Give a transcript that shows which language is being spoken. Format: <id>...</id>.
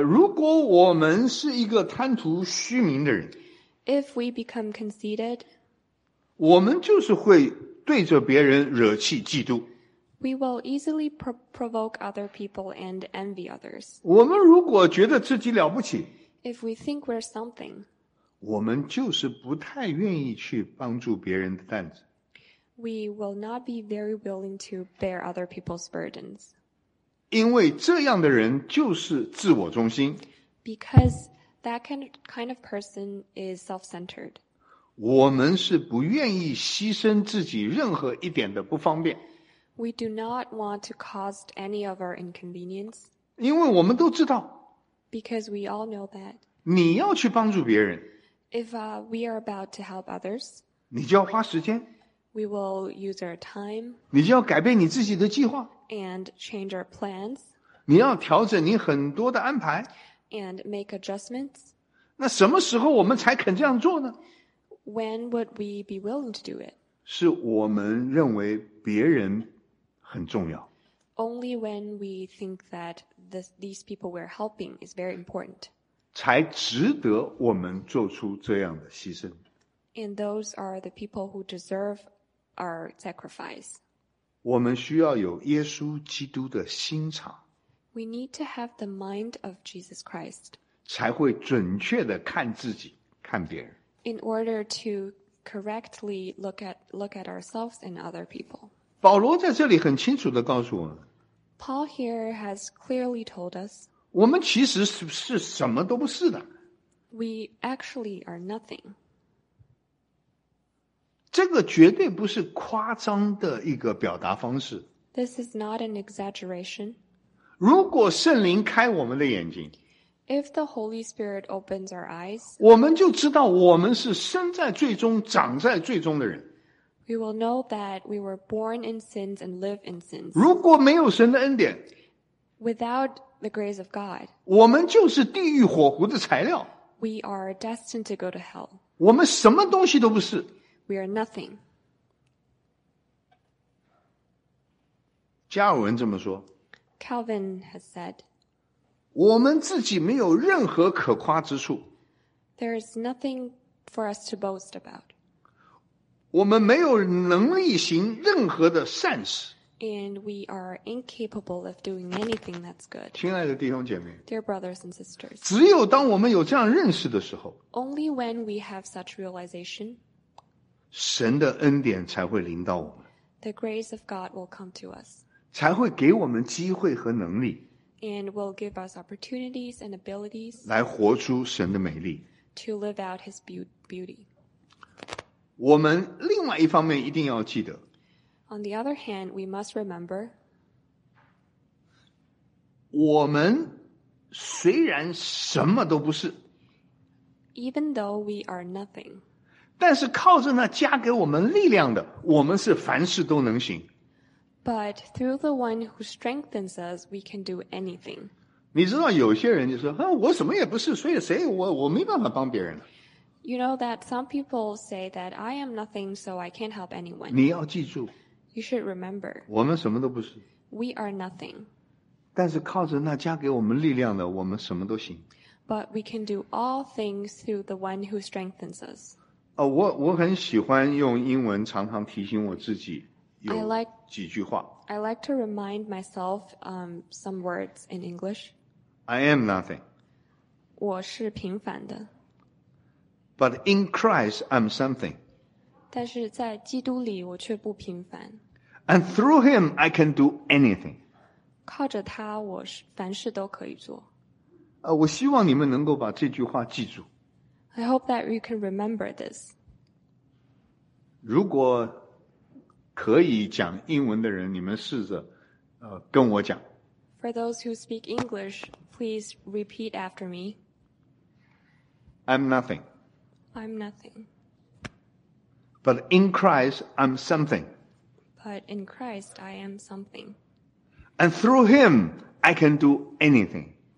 <zh>如果我们是一个贪图虚名的人。</zh> <en>If we become conceited.</en> <zh>我们就是会对着别人惹气嫉妒。</zh> <en>We will easily provoke other people and envy others.</en> <zh>我们如果觉得自己了不起，</zh> <en>If we think we're something,</en> <zh>我们就是不太愿意去帮助别人的担子。</zh> <en>We will not be very willing to bear other people's burdens.</en> <zh>因为这样的人就是自我中心。</zh> <en>Because that kind of person is self-centered.</en> <zh>我们是不愿意牺牲自己任何一点的不方便。</zh> <en>We do not want to cause any of our inconvenience.</en> <zh>因为我们都知道。</zh> <en>Because we all know that.</en> <zh>你要去帮助别人。</zh> <en>If we are about to help others.</en> <zh>你就要花时间。</zh> <en>We will use our time.</en> <zh>你就要改变你自己的计划。</zh> <en>And change our plans.</en> <zh>你要调整你很多的安排。</zh> <en>And make adjustments.</en> <zh>那什么时候我们才肯这样做呢？</zh> <en>When would we be willing to do it?</en> <zh>是我们认为别人很重要。</zh> <en>Only when we think that these people we're helping is very important.</en> <zh>才值得我们做出这样的牺牲。</zh> <en>And those are the people who deserve our sacrifice.</en> <zh>我们需要有耶稣基督的心肠。</zh> <en>We need to have the mind of Jesus Christ.</en> <zh>才会准确地看自己，看别人。</zh> <en>In order to correctly look at ourselves and other people.</en> <zh>保罗在这里很清楚地告诉我们。</zh> <en>Paul here has clearly told us.</en> <zh>我们其实 是什么都不是的。</zh> <en>We actually are nothing.</en> <zh>这个绝对不是夸张的一个表达方式。</zh> <en>This is not an exaggeration.</en> <zh>如果圣灵开我们的眼睛。</zh> <en>If the Holy Spirit opens our eyes,</en> <zh>我们就知道我们是生在罪中、长在罪中的人。</zh> <en>We will know that we were born in sins and live in sins.</en> <zh>如果没有神的恩典，</zh> <en>without the grace of God,</en> <zh>我们就是地狱火湖的材料。</zh> <en>We are destined to go to hell.</en> <zh>我们什么东西都不是。</zh> <en>We are nothing.</en> <zh>加尔文这么说。</zh> <en>Calvin has said,</en> <zh>我们自己没有任何可夸之处。</zh> <en>There is nothing for us to boast about.</en> <zh>我们没有能力行任何的善事。</zh> <en>And we are incapable of doing anything that's good.</en> <zh>亲爱的弟兄姐妹。</zh> <en>Dear brothers and sisters.</en> <zh>只有当我们有这样认识的时候。</zh> <en>Only when we have such realization.</en> <zh>神的恩典才会临到我们。</zh> <en>The grace of God will come to us.</en> <zh>才会给我们机会和能力</zh> <en>and will give us opportunities and abilities</en> <zh>来活出神的美丽</zh> <en>to live out his beauty.</en> <zh>我们另外一方面一定要记得</zh> <en>on the other hand, we must remember</en> <zh>我们虽然什么都不是</zh> <en>even though we are nothing,</en> <zh>但是靠着那加给我们力量的我们是凡事都能行</zh> <en>But through the one who strengthens us, we can do anything.</en> <zh>你知道有些人就说、啊、我什么也不是所以谁我没办法帮别人</zh> <en>You know that some people say that I am nothing, so I can't help anyone.</en> <zh>你要记住</zh> <en>You should remember.</en> <zh>我们什么都不是</zh> <en>We are nothing.</en> <zh>但是靠着那加给我们力量的我们什么都行</zh> <en>But we can do all things through the one who strengthens us.、</en> <zh>啊、我很喜欢用英文常常提醒我自己有几句话</zh> <en>I like to remind myself some words in English. I am nothing.</en> <zh>我是平凡的。</zh> <en>But in Christ, I'm something.</en> <zh>但是在基督里我却不平凡。</zh> <en>And through him, I can do anything.</en> <zh>靠着他我凡事都可以做。我希望你们能够把这句话记住。</zh> <en>I hope that you can remember this.</en> <zh>如果可以讲英文的人，你们试着，跟我讲。</zh> <en>For those who speak English, please repeat after me. I'm nothing. I'm nothing. But in Christ, I'm something. But in Christ, I am something. And through Him, I can do anything.</en>